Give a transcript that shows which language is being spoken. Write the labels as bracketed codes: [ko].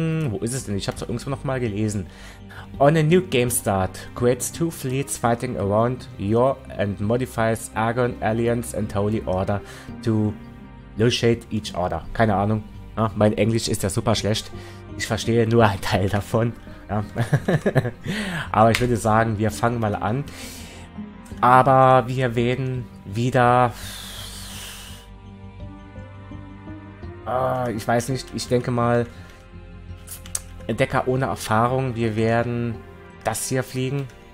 [de] Wo ist es denn? Ich habe es irgendwo nochmal gelesen. [en] On a new game start, creates 2 fleets fighting around your and modifies Argon Alliance and Holy Order to negotiate each order. [de] Keine Ahnung. Ja, mein Englisch ist ja super schlecht. Ich verstehe nur einen Teil davon. Ja. Aber ich würde sagen, wir fangen mal an. Aber wir werden wieder... ich weiß nicht, ich denke mal, Entdecker ohne Erfahrung, wir werden das hier fliegen.